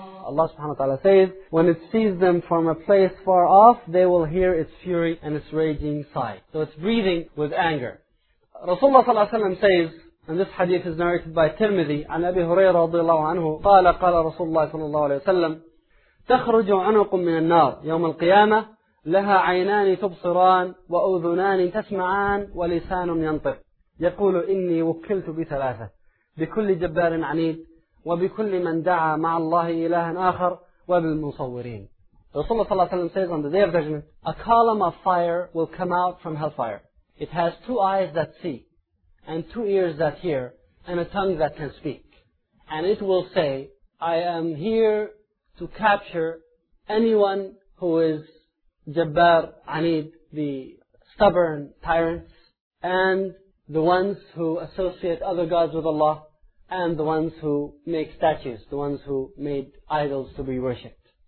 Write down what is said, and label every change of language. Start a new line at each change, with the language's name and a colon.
English: Allah subhanahu wa ta'ala says, when it sees them from a place far off, they will hear its fury and its raging sigh. So it's breathing with anger. Rasulullah sallallahu alayhi wa sallam says, and this hadith is narrated by Tirmidhi,
Arabic: عن أبي هريرة رضي الله عنه, قال رسول الله صلى الله عليه وسلم, تخرج عنق من النار يوم القيامة لها عينان تبصران وأذنان تسمعان ولسان ينطق يقول إني وكلت بثلاثة بكل جبار عنيد وبكل من دعا مع الله إلها آخر وبالمصورين.
English: Rasulullah
Arabic: صلى الله عليه وسلم
English: says, on the day of judgment, a column of fire will come out from hellfire. It has two eyes that see, and two ears that hear, and a tongue that can speak. And it will say, I am here to capture anyone who is Jabbar Anid, the stubborn tyrants, and the ones who associate other gods with Allah, and the ones who make statues, the ones who made idols to be worshipped.